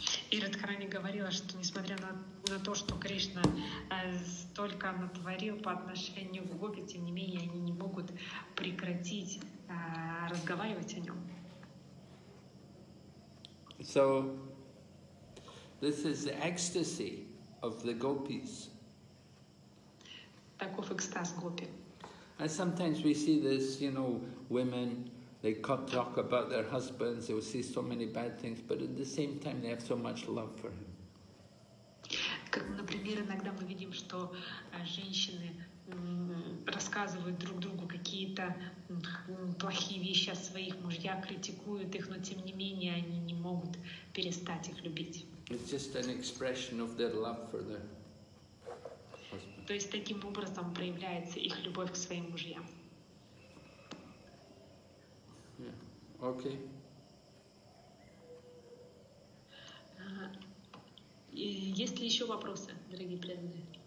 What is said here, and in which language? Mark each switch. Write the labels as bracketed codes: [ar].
[ru] И Радхарани говорила, что несмотря на то, что Кришна столько натворил по отношению к гопи, тем не менее они не могут прекратить разговаривать о нем. [en] So this is the ecstasy of the gopis. [ru] Таков экстаз гопи. [en] And sometimes we see this, you know, women. They can't talk about their husbands, they will see so many bad things, but at the same time they have so much love for him. [ru] Как, например, иногда мы видим, что женщины рассказывают друг другу какие-то плохие вещи о своих мужьях, критикуют их, но тем не менее они не могут перестать их любить. [en] It's just an expression of their love for their husband. [ru] То есть таким образом проявляется их любовь к своим мужьям. [en] Okay. [ru] Есть ли еще вопросы, дорогие преданные?